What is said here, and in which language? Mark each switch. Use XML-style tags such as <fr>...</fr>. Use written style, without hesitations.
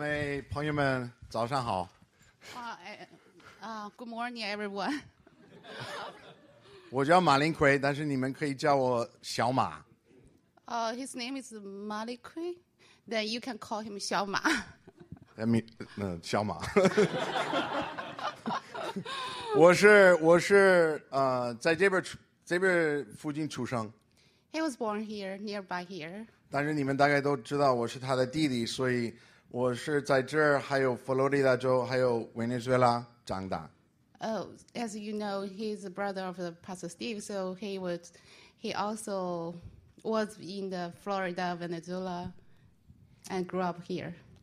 <zh>弟兄姊妹朋友们早上好</zh> <en>good morning everyone</en> <zh>我叫马林奎 但是你们可以叫我小马</zh> <en>his name is 马林奎 then you can call him 小马 I mean</en> <zh>小马 我是在这边附近出生</zh> <en>he was born here nearby here</en> <zh>但是你们大概都知道我是他的弟弟 所以 我是在这儿，还有佛罗里达州，还有委内瑞拉长大。</zh> <en>Oh, as you know, he's the brother of the Pastor Steve, so he also was in the Florida, Venezuela, and grew up here.</en>